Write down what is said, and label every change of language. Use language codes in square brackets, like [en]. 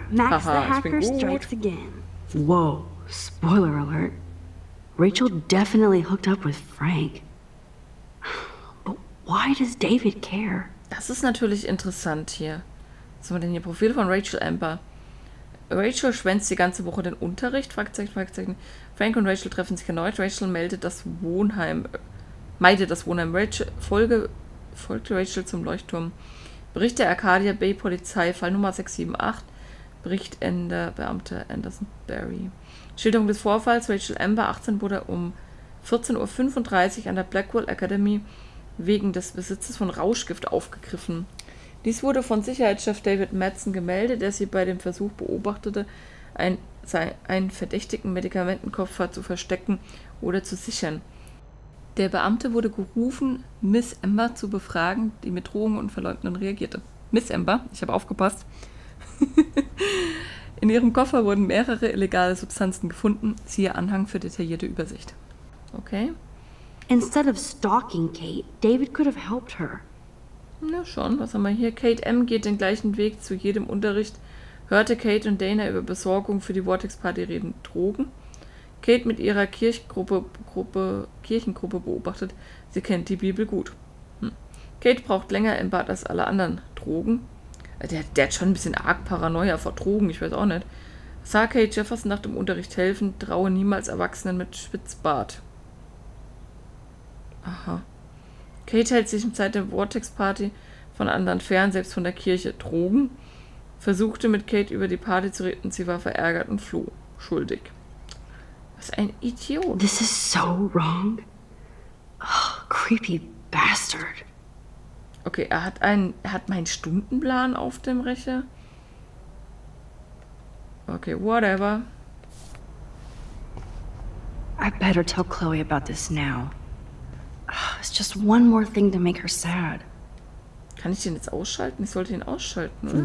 [en] Max the Hacker strikes again. Whoa, spoiler alert. Rachel definitely hooked up with Frank. But why does David care? [de] Das ist natürlich interessant hier. Was haben wir denn hier? Profil von Rachel Amber. Rachel schwänzt die ganze Woche den Unterricht? Frank und Rachel treffen sich erneut. Rachel meldet das Wohnheim. Rachel, folgt Rachel zum Leuchtturm. Bericht der Arcadia Bay Polizei, Fall Nummer 678. Bericht Ende, Beamte Anderson Barry. Schilderung des Vorfalls. Rachel Amber, 18, wurde um 14.35 Uhr an der Blackwell Academy wegen des Besitzes von Rauschgift aufgegriffen. Dies wurde von Sicherheitschef David Madsen gemeldet, der sie bei dem Versuch beobachtete, einen verdächtigen Medikamentenkoffer zu verstecken oder zu sichern. Der Beamte wurde gerufen, Miss Amber zu befragen, die mit Drohungen und Verleugnungen reagierte. Miss Amber, ich habe aufgepasst. In ihrem Koffer wurden mehrere illegale Substanzen gefunden. Siehe Anhang für detaillierte Übersicht. Okay. [en] Instead of stalking Kate, David could have helped her. [de] Na schon, was haben wir hier? Kate M. geht den gleichen Weg zu jedem Unterricht. Hörte Kate und Dana über Besorgung für die Vortex-Party reden. Drogen. Kate mit ihrer Kirchengruppe beobachtet. Sie kennt die Bibel gut. Kate braucht länger im Bad als alle anderen. Drogen. Der hat schon ein bisschen arg Paranoia vor Drogen, ich weiß auch nicht. Sah Kate Jefferson nach dem Unterricht helfen. Traue niemals Erwachsenen mit Spitzbart. Aha. Kate hält sich im Zeit der Vortex-Party von anderen fern, selbst von der Kirche. Drogen. Versuchte mit Kate über die Party zu reden, sie war verärgert und floh. Schuldig. Was ein Idiot. [en] This is so wrong. Oh, creepy bastard. [de] Okay, er hat meinen Stundenplan auf dem Rechner. [en] Okay, whatever. I better tell Chloe about this now. It's just one more thing to make her sad. [de] Kann ich den jetzt ausschalten? Ich sollte ihn ausschalten, oder?